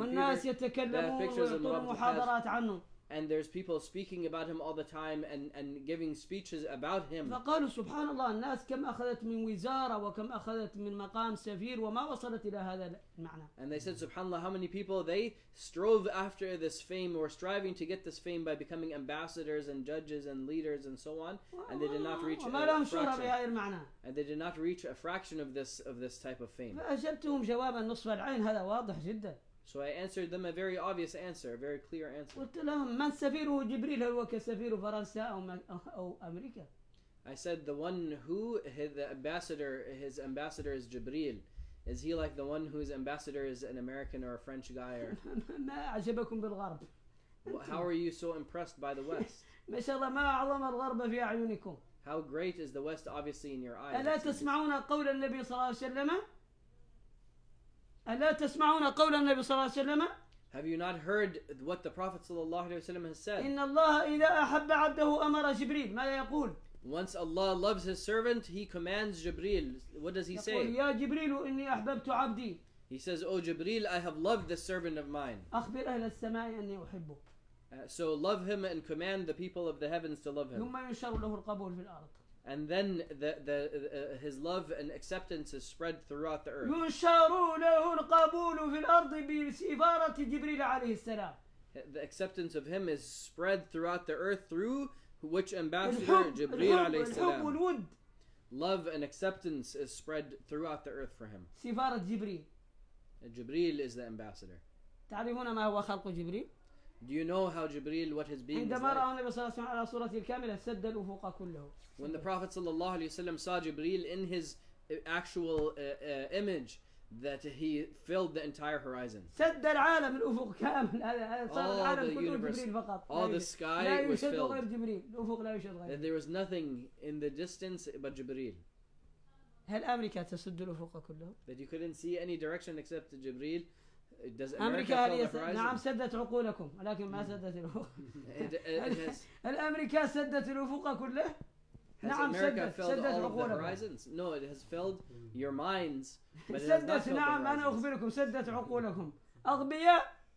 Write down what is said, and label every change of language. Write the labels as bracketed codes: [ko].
[ar] والناس يتكلمون ويعطون محاضرات عنه. [en] And there's people speaking about him all the time and giving speeches about him. [ar] فقالوا سبحان الله الناس كم أخذت من وزارة وكم أخذت من مقام سفير وما وصلت إلى هذا المعنى. [en] And they said [ar] سبحان الله [en] how many people they strove after this fame or striving to get this fame by becoming ambassadors and judges and leaders and so on and they did not reach a fraction. And they did not reach a fraction of this type of fame. [ar] فأجبتهم جوابا نصف العين هذا واضح جدا. [en] So I answered them a very obvious answer, a very clear answer. [ar] قلت لهم من سفيره جبريل هو كسفير فرنسا أو أمريكا. [en] I said the one who his ambassador is Jibril. Is he like the one whose ambassador is an American or a French guy? Or [ar] ما عجبكم بالغرب؟ [en] How are you so impressed by the West? [ar] ما شاء الله ما أعظم الغرب في أعينكم. [en] How great is the West obviously in your eyes? [ar] ألا تسمعون قول النبي صلى الله عليه وسلم؟ ألا تسمعون قول النبي صلى الله عليه وسلم؟ [en] Have you not heard what the Prophet [ar] صلى الله عليه وسلم [en] has said? [ar] إن الله إذا أحب عبده أمر جبريل ماذا يقول؟ [en] Once Allah loves His servant, He commands Jibril. What does He [ar] يقول, [en] say? [ar] يا جبريل إني أحببت عبدي. [en] He says, "Oh Jibril, I have loved this servant of mine." [ar] أخبر أهل السماء أني أحبه. [en] So love him and command the people of the heavens to love him. [ar] ثم ينشر له القبول في الأرض. [en] And then his love and acceptance is spread throughout the earth. [ar] ينشر له القبول في الأرض بسفارة جبريل عليه السلام. [en] The acceptance of him is spread throughout the earth through which ambassador Jibril [ar] عليه السلام. [en] Love and acceptance is spread throughout the earth for him. [ar] سفارة جبريل. [en] Jibril is the ambassador. [ar] تعرفون ما هو خلق جبريل؟ [en] Do you know how Jibril, what his being like? When the Prophet sallallahu alaihi wasallam saw Jibril in his actual image, that he filled the entire horizon. All the universe, all the sky was filled. And there was nothing in the distance but Jibril. That you couldn't see any direction except to Jibril. Does America fill the horizon? [ar] نعم سدت عقولكم ولكن ما سدت الأفق. الأمريكا سدت الأفق كله. نعم سدت عقولكم. [en] No, it has filled your minds. [ar] سدت نعم أنا أخبركم سدت عقولكم. أغبياء.